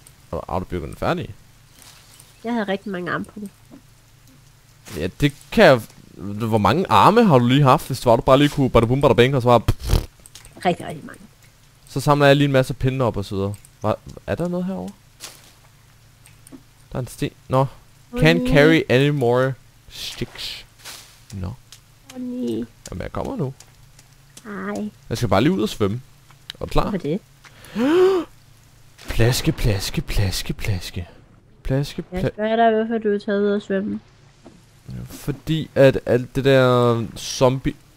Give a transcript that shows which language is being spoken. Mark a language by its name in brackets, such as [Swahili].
[Danish] Har du autobygget den færdig? Jeg havde rigtig mange arme på det. Ja, det kan jeg... Hvor mange arme har du lige haft, hvis du bare lige kunne... Badabum, badabing, og så bare... Rigtig, rigtig mange. Så samler jeg lige en masse pinde op og så videre. Hvad? Er der noget herovre? Der er en sten... Nå. [English] Can't carry any more sticks. [Danish] Nå. Nej. Jamen, jeg kommer nu. Nej. Jeg skal bare lige ud og svømme. Er du klar? Hvorfor det? Plaske, plaske, plaske, plaske. Plaske, plaske. Jeg spørger dig, hvorfor du er taget ud at svømme. Fordi at alt det der zombie...